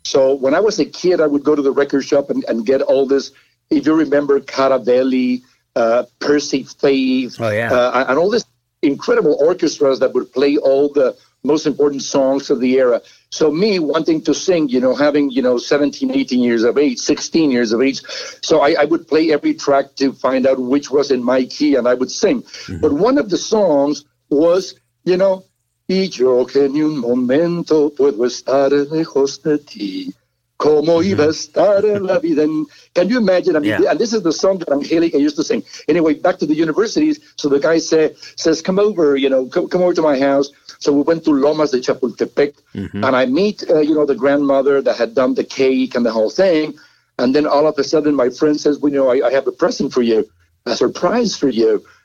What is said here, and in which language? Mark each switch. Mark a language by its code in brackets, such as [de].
[en] So when I was a kid, I would go to the record shop and get all this, if you remember, Caravelli, Percy Faith, and all this incredible orchestras that would play all the most important songs of the era. So me wanting to sing, you know, having, you know, 17, 18 years of age, 16 years of age. So I would play every track to find out which was in my key and I would sing. Mm-hmm. But one of the songs was, you know, [es] y yo que ni un momento puedo estar lejos de ti. Como iba a estar en la vida. [en] Can you imagine? I mean, yeah. And this is the song that Angelica used to sing. Anyway, back to the universities. So the guy says, come over, you know, come over to my house. So we went to Lomas de Chapultepec. Mm-hmm. And I meet, you know, the grandmother that had done the cake and the whole thing. And then all of a sudden, my friend says, well, you know, I have a present for you, a surprise for you.